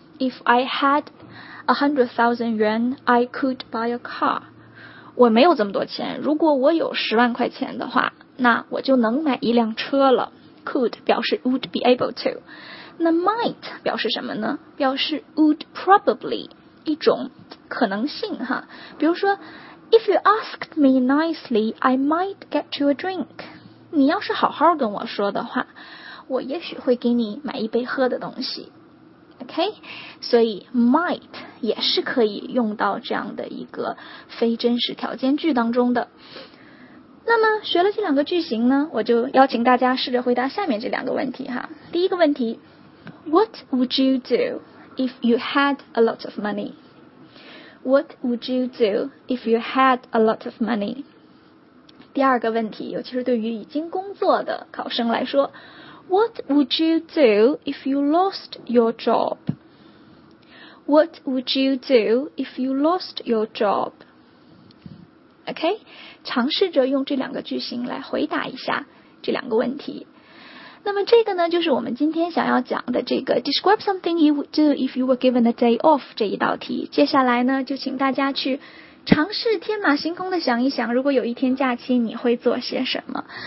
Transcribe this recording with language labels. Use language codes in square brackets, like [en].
[en] If I had 100,000 yuan, I could buy a car. [zh] 我没有这么多钱，如果我有10万块钱的话，那我就能买一辆车了。 Could 表示 [en] would be able to。 [zh] 那 might 表示什么呢？表示 [en] would probably [zh] 一种可能性哈。比如说 [en] ，If you asked me nicely, I might get you a drink。 [zh] 你要是好好跟我说的话，我也许会给你买一杯喝的东西。 OK， 所以 might 也是可以用到这样的一个非真实条件句当中的。那么学了这两个句型呢，我就邀请大家试着回答下面这两个问题哈。第一个问题。 [en] What would you do if you had a lot of money? What would you do if you had a lot of money? [zh] 第二个问题，尤其是对于已经工作的考生来说 ， [en] What would you do if you lost your job? What would you do if you lost your job? [zh] OK， 尝试着用这两个句型来回答一下这两个问题。那么这个呢，就是我们今天想要讲的这个 [en] Describe something you would do if you were given a day off [zh] 这一道题。接下来呢，就请大家去尝试天马行空的想一想，如果有一天假期你会做些什么。